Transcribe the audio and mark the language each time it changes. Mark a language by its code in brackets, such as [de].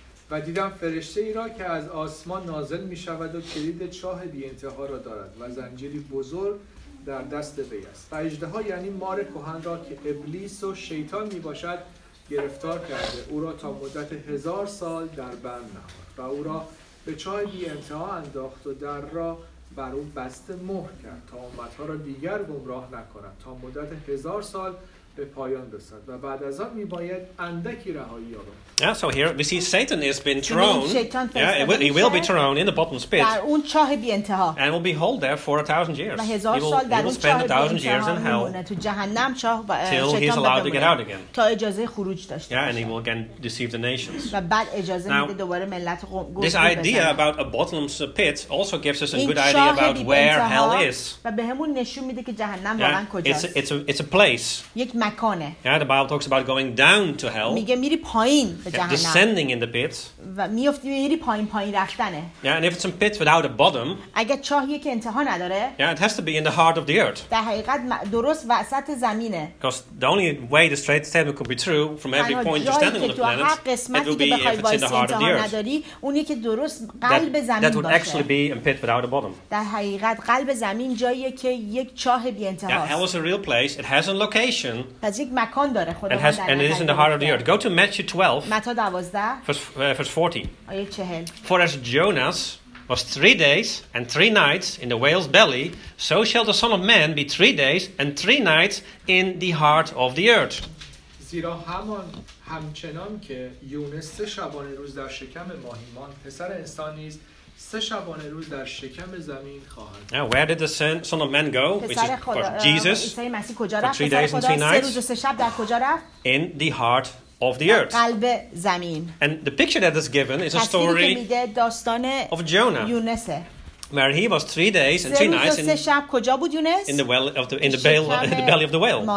[fa] و دیدم فرشته ای را که از آسمان نازل می شود و کلید چاه بی انتها را دارد و زنجیری بزرگ در دست وی است. و اژدها یعنی مار کهن را که ابلیس و شیطان می باشد گرفتار کرده، او را تا مدت 1000 سال در بند نهاد و او را به چاه بی انتها انداخت و در را بر او بسته مهر کرد تا امتها را دیگر گمراه نکند تا مدت 1000 سال به پایان رسد و بعد از آن می باید اندکی رهایی یابد. [en] Yeah, so here we see Satan has been thrown. Yeah, he will be thrown in the bottomless pit. [fa] در اون چاه بی انتها. [en] And will be held there for 1000 years. He will spend 1000 years in hell. [fa] تو جهنم چاه و شیطان. [en] Till he's allowed to get out again. [fa] تا اجازه خروج داشته. [en] Yeah, and he will again deceive the nations. [fa] و بعد اجازه میده دوباره ملت رو گول بزنه. [en] This idea about a bottomless pit also gives us a good idea about where hell is. [fa] و بهمون نشون میده که جهنم واقعا کجاست. [en] It's a place. [fa] یک مکانه. [en] Yeah, the Bible talks about going down to hell. [fa] میگه میری پایین. [en] Yeah, descending in the pit. [fa] و میافتی میری پایین پایین رفتنه. [en] Yeah, and if it's a pit without a bottom. [fa] اگه چاهی که انتها نداره. [en] Yeah, it has to be in the heart of the earth. [fa] در حقیقت درست وسط زمینه. [en] Because the only way the straight statement could be true from every point you're standing on the planet. [fa] هر قسمتی که بخوای وایسی انتها نداری، اونی که درست قلب زمین باشه. [en] That would actually be a pit without a bottom. [fa] در حقیقت قلب زمین جاییه که یک چاه بی انتها. [en] Yeah, hell is a real place. It has a location. [fa] پس یک مکان داره خدا. [en] And it is in the heart of the earth. Go to Matthew 12. Verse 40. For as Jonas was 3 days and 3 nights in the whale's belly, so shall the Son of Man be 3 days and 3 nights in the heart of the earth. [fa] زیرا همان همچنان که یونس 3 شبانه روز در شکم ماهی ماند، پسر انسان نیز 3 شبانه روز در شکم زمین خواهد. [en] Now, where did the Son of Man go? Which is for Jesus? For 3 days and 3 nights. [fa] 3 روز و 3 شب در کجا رفت؟ [en] In the heart. Of the earth. [fa] قلب زمین. [en] And the picture that is given is a story of Jonah. [fa] یونسه. [en] Where he was 3 days and 3 nights in the belly of the whale.